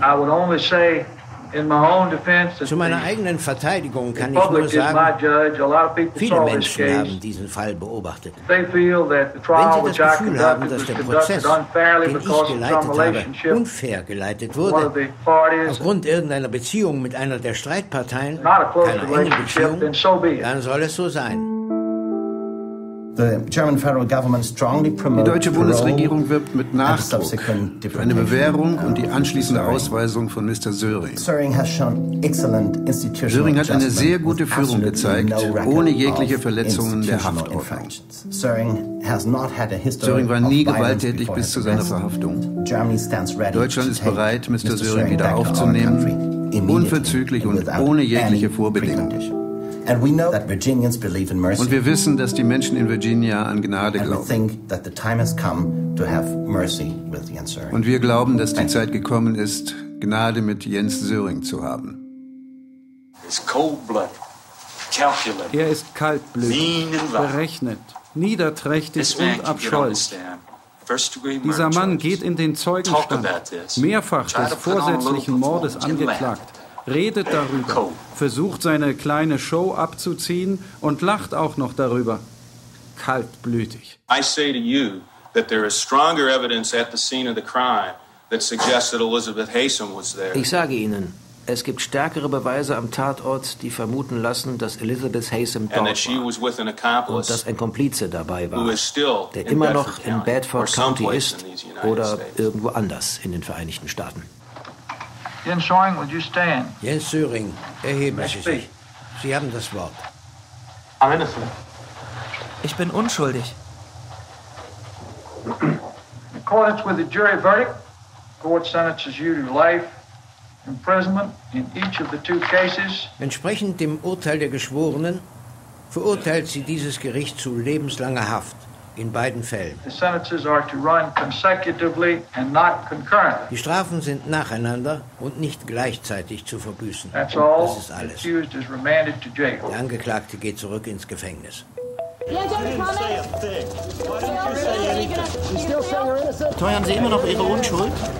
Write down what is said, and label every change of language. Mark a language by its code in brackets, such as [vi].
[en] I would only say, in my own defense, [de] zu meiner eigenen Verteidigung kann ich nur sagen, viele Menschen haben diesen Fall beobachtet. Wenn sie das Gefühl haben, dass der Prozess, den ich geleitet habe, unfair geleitet wurde, aufgrund irgendeiner Beziehung mit einer der Streitparteien, keiner engen Beziehung, dann soll es so sein. Die deutsche Bundesregierung wirbt mit Nachdruck für eine Bewährung und die anschließende Ausweisung von Mr. Söring. Söring hat eine sehr gute Führung gezeigt, ohne jegliche Verletzungen der Haftordnung. Söring war nie gewalttätig bis zu seiner Verhaftung. Deutschland ist bereit, Mr. Söring wieder aufzunehmen, unverzüglich und ohne jegliche Vorbedingungen. [en] And we know that Virginians believe in mercy. [de] Und wir wissen, dass die Menschen in Virginia an Gnade glauben. [en] And we think that the time has come to have mercy with Jens Söring. [de] Und wir glauben, dass die Zeit gekommen ist, Gnade mit Jens Söring zu haben. [en] It's cold-blooded, calculated. [de] Er ist kaltblütig, berechnet, niederträchtig und abscheulich. Dieser Mann geht in den Zeugenstand, mehrfach des vorsätzlichen Mordes angeklagt. Redet darüber, versucht seine kleine Show abzuziehen und lacht auch noch darüber. Kaltblütig. [en] I say to you that there is stronger evidence at the scene of the crime that suggests that Elizabeth Haysom was there. [de] Ich sage Ihnen, es gibt stärkere Beweise am Tatort, die vermuten lassen, dass Elizabeth Haysom dort war und dass ein Komplize dabei war, der immer noch in Bedford County ist oder irgendwo anders in den Vereinigten Staaten. [en] Jens Söring, would you stand? [de] Jens Söring, erheben Sie sich. Sie haben das Wort. [en] I'm innocent. [de] Ich bin unschuldig. [en] In accordance with the jury verdict, the court sentences you to life imprisonment in each of the two cases. [de] Entsprechend dem Urteil der Geschworenen verurteilt sie dieses Gericht zu lebenslanger Haft in beiden Fällen. [en] The sentences are to run consecutively and not concurrently. [de] Die Strafen sind nacheinander und nicht gleichzeitig zu verbüßen. [en] That's all. [de] Das ist alles. [en] Accused is remanded to jail. [de] Der Angeklagte geht zurück ins Gefängnis. Teuern Sie immer noch Ihre Unschuld?